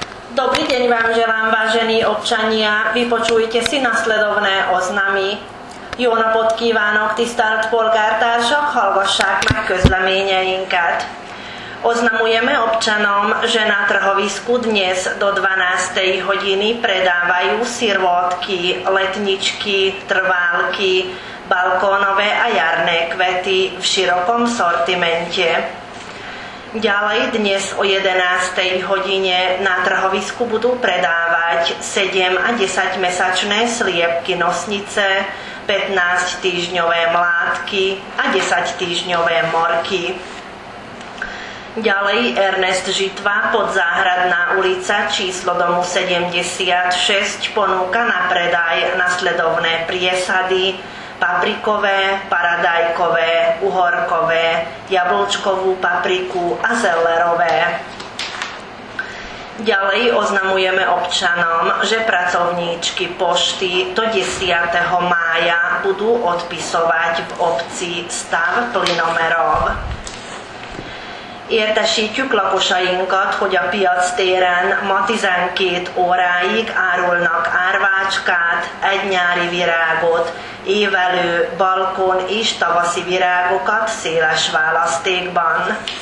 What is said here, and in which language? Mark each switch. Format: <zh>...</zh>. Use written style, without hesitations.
<sk>Dobrý deň vám želám, vážení občania. Vypočujte si nasledovné oznamy.</sk> <hu>Jóna podkívánok, tisztelt polgártársak, hallgassák meg közleményeinket.</hu> <sk>Oznamujeme občanom, že na trhovisku dnes do 12. hodiny predávajú sirvotky, letničky, trválky, balkónové a jarné kvety v širokom sortimente. Ďalej dnes o 11. hodine na trhovisku budú predávať 7 a 10 mesačné sliepky nosnice, 15 týždňové mládky a 10 týždňové morky. Ďalej Ernest Žitva, Podzáhradná ulica, číslo domu 76, ponúka na predaj nasledovné priesady: paprikové, paradajkové, uhorkové, jablčkovú papriku a zelerové. Ďalej oznamujeme občanom, že pracovníčky pošty do 10. mája budú odpisovať v obci stav plynomerov.</sk> <hu>Értesítjük lakosainkat, hogy a piac téren ma 12 óráig árulnak árvácskát, egy nyári virágot, évelő, balkon és tavaszi virágokat széles választékban.</hu>